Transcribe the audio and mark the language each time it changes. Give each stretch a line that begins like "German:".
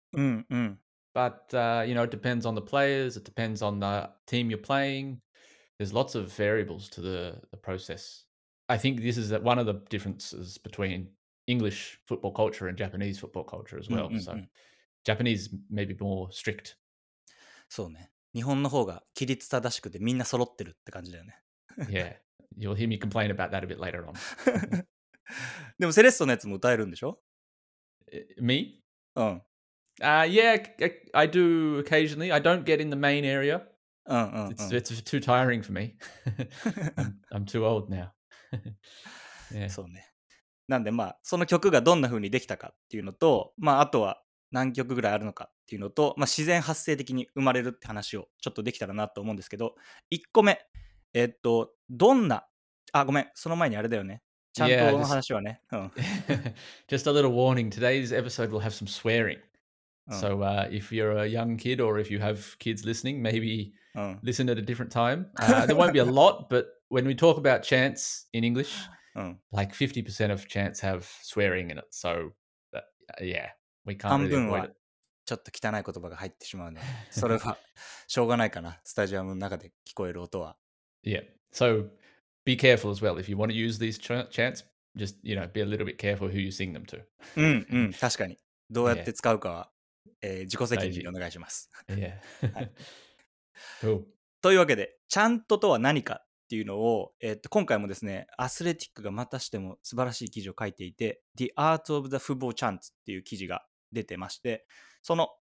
English: But, you know, it depends on the players. It depends on the team you're playing. There's lots of variables to the process. I think this is one of the differences between English football culture and Japanese football culture as well. So, Japanese maybe more strict.
Japanese: そうね。日本の方が規律正しくてみんな揃ってるって感じだよね。
English: Yeah. You'll hear me complain about that a bit later on.
Japanese: でもセレッソのやつも歌えるんでしょ?
English: Me? うん。 Yeah, I do occasionally. I don't get in the main area. It's too tiring for me. I'm too old now.
Japanese: yeah. そうね。なんでまあその曲がどんな風にできたかっていうのと、まああとは何曲ぐらいあるのかっていうのと、まあ自然発生的に生まれるって話をちょっとできたらなと思うんですけど、1個目、どんな、あ、ごめん、その前にあれだよね。ちゃんとの話はね。
English: Just a little warning. Today's episode will have some swearing. So if you're a young kid or if you have kids listening, maybe listen at a different time. There won't be a lot, but when we talk about chants in English, like 50% of chants have swearing in it. So that, yeah, we can't really avoid it.
Japanese: 半分はちょっと汚い言葉が入ってしまうね。それはしょうがないかな。スタジアムの中で聞こえる音は。
English: Yeah, so be careful as well. If you want to use these chants, just, you know, be a little bit careful who you sing them to.
Japanese: うん、確かに。どうやって使うかは、自己責任でお願いします。
English: Yeah. 、
Japanese: はい、
English: cool.
Japanese: というわけで、チャントとは何かっていうのを、今回もですね、アスレティックがまたしても素晴らしい記事を書いていて、The Art of the Football Chant っていう記事が出てまして、その